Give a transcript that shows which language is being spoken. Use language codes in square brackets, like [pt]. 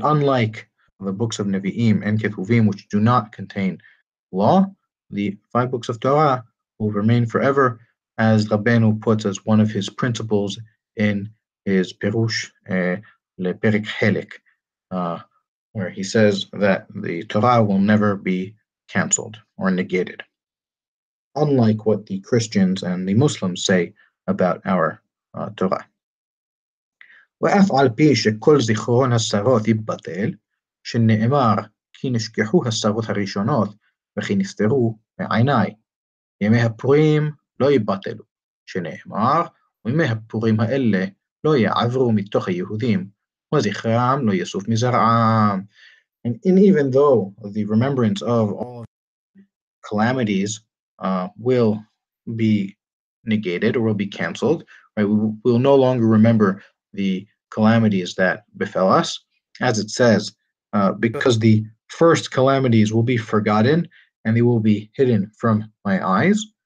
[en] Unlike the books of Nevi'im and Ketuvim, which do not contain law, the five books of Torah will remain forever, as Rabbeinu puts as one of his principles in his Perush Leperik Helik, where he says that the Torah will never be canceled or negated, unlike what the Christians and the Muslims say about our Torah. [he] ואף על פי שכל זיכרון השרות יבטל, שנאמר כי נשכחו השרות הראשונות וכי נסתרו מעיניי, ימי הפורים לא יבטלו, שנאמר, וימי הפורים האלה לא יעברו מתוך היהודים, וזכרם לא יסוף מזרעם. [en] And even though the remembrance of all of calamities will be negated or will be canceled, right, we will no longer remember the calamities that befell us, as it says, because the first calamities will be forgotten and they will be hidden from my eyes.